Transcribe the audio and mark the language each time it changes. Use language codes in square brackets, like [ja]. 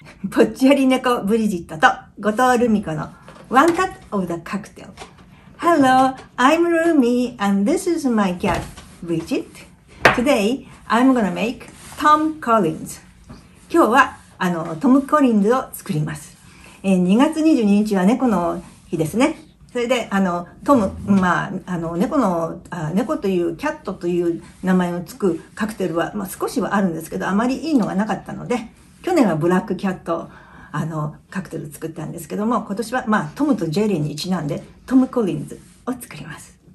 [ja] ぽっちゃり猫ブリジットと後藤ルミ子のワンカットオブザカクテル。 [en] Hello, I'm Rumi and this is my cat Bridget. Today, I'm gonna make Tom Collins. [ja] 今日はトム・コリンズを作ります。2月22日は猫の日ですね。それでトム、まあ猫というキャットという名前のつくカクテルは、まあ、少しはあるんですけど、あまりいいのがなかったので、去年はブラックキャットカクテル作ったんですけども、今年はまあトムとジェリーにちなんでトム・コリンズを作ります。